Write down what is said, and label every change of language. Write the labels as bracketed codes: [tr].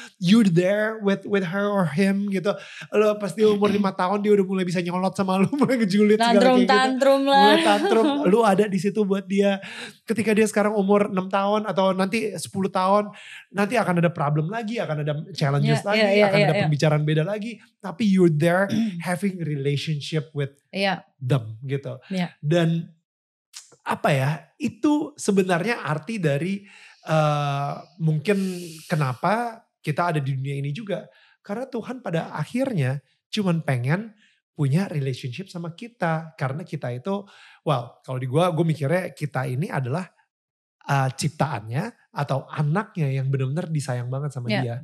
[en] You're there with her or him [id] gitu. Lu pas dia umur 5 tahun. Dia udah mulai bisa nyolot sama lu. Mulai ngejulit segala kayak gitu. Tantrum. Lu ada di situ buat dia. Ketika dia sekarang umur 6 tahun. Atau nanti 10 tahun. Nanti akan ada problem lagi. Akan ada challenges lagi. Akan ada pembicaraan beda lagi. Tapi [en] you're there having relationship with them [id] gitu. [en] Yeah. [id] Dan apa ya. Itu sebenarnya arti dari mungkin kenapa kita ada di dunia ini juga. Karena Tuhan pada akhirnya cuman pengen punya relationship sama kita. Karena kita itu, well kalau di gue mikirnya kita ini adalah ciptaannya atau anaknya yang benar-benar disayang banget sama dia.